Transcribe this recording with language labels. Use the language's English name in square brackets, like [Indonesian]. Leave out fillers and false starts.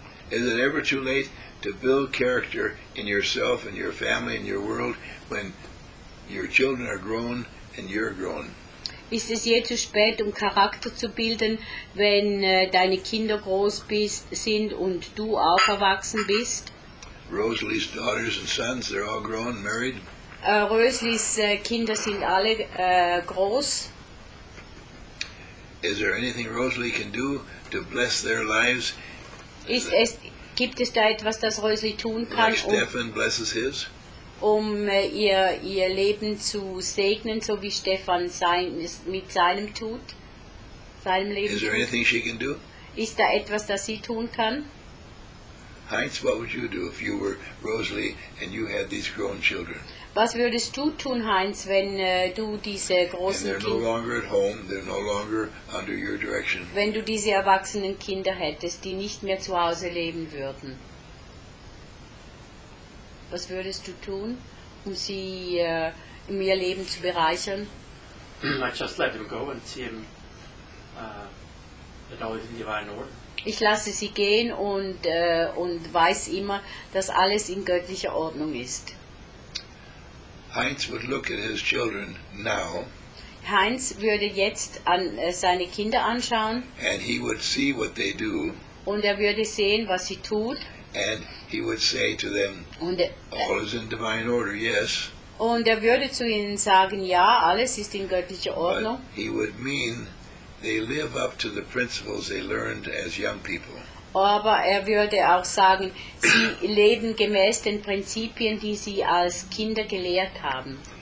[English] Is it ever too late to build character in yourself and your family and your world when your children are grown and you're grown? [German] Ist es je zu spät, um Charakter zu bilden, wenn deine Kinder groß sind und du auch erwachsen bist? [English] Rosalie's daughters and sons, they're all grown, married. [German] Rosalie's Kinder sind alle groß. [English] Is there anything Rosalie can do to bless their lives? [German] Gibt es da etwas, das Rosalie tun kann? [English] Like Stefan blesses his? [German] Um ihr Leben zu segnen, so wie Stefan mit seinem tut, seinem Leben. [English] Is there anything she can do? [German] Ist da etwas, das sie tun kann? [English] Heinz, what would you do if you were Rosalie and you had these grown children? [German] Was würdest du tun, Heinz, wenn du diese großen [English] Kinder? And they're no longer at home. They're no longer under your direction. [German] Wenn du diese erwachsenen Kinder hättest, die nicht mehr zu Hause leben würden. Was würdest du tun, um sie in ihr Leben zu bereichern? [English] I just let them go and see them that all is in divine order. [German] Ich lasse sie gehen und weiß immer, dass alles in göttlicher Ordnung ist. [English] Heinz would look at his children now. [German] Heinz würde jetzt an seine Kinder anschauen. [English] And he would see what they do. [German] Und er würde sehen, was sie tut. [English] And he would say to them, all is in divine order, yes. [German] Und er würde zu ihnen sagen, ja, alles ist in göttlicher Ordnung. [English] But he would mean they live up to the principles they learned as young people. [German] Aber er würde auch sagen, sie leben gemäß den Prinzipien, die sie als Kinder gelehrt haben.